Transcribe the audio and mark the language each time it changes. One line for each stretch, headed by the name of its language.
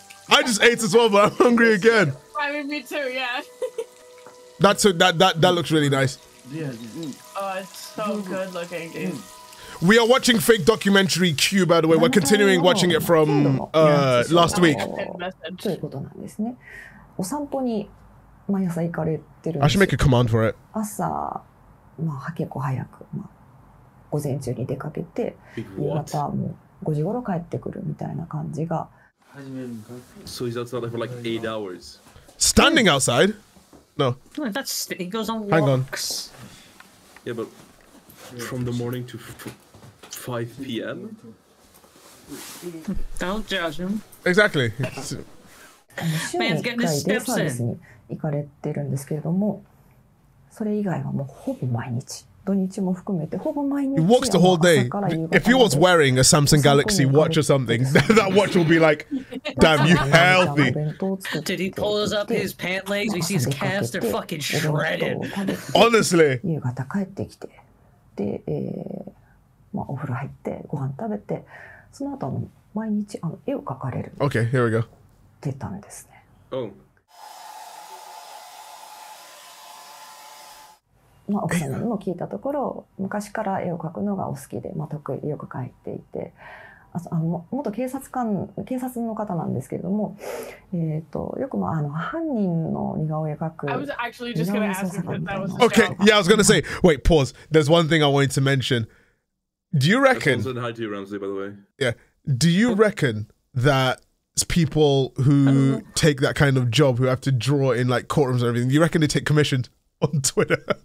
English: I just ate as well, but I'm hungry again. I mean, me too, yeah. That looks really nice. Yeah. Oh, it's so good looking. We are watching fake documentary Q, by the way. We're continuing watching it from last week.
Japanese: ということなんですね。お散歩に毎朝行かれてる。
English: I should make a command for it.
Japanese: 朝、まあ結構早く、まあ午前中に出かけて、またもう五時頃帰ってくるみたいな感じが。
English: So he's outside for like 8 hours. Standing outside. No. He goes on walks. Hang on. Yeah, but from the morning to 5 p.m.? Don't judge him. Exactly. Man's getting his steps in.
Japanese: 行かれてるんですけれども、それ以外はもうほぼ毎日。
English: He walks the whole day. If he was wearing a Samsung Galaxy watch or something, that watch will be like, damn, you healthy. Dude, he pulls up his pant legs, we see his calves, they're fucking shredded. Honestly. Okay, here we go. Oh.
Japanese: まあ、奥様にも聞いたところ昔から絵を描くのがお好きで、まあ、得意でよく描いていて元警察官、警察の方なんですけれども、よくまあ、犯人の似顔絵描く。
English: I was actually just gonna ask if that was the show. Okay, yeah, I was gonna say, wait, pause. There's one thing I wanted to mention. Do you reckon... This one said hi to you, Ramsey, by the way. Yeah. Do you reckon that people who take that kind of job, who have to draw in like courtrooms and everything, do you reckon they take commissions on Twitter?